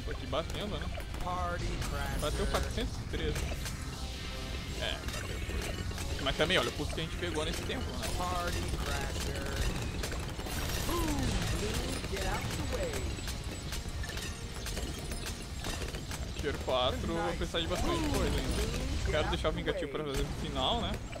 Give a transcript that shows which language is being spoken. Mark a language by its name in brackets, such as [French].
[Portuguese] Batendo, né? Bateu 413. É, bateu foi. Mas também, olha, o custo que a gente pegou nesse tempo, né? [English] Party Crasher. Boom, blue, get out the way. [Portuguese] Tier 4, vou precisar de bastante coisa ainda. Quero deixar o vingativo pra fazer o final, né?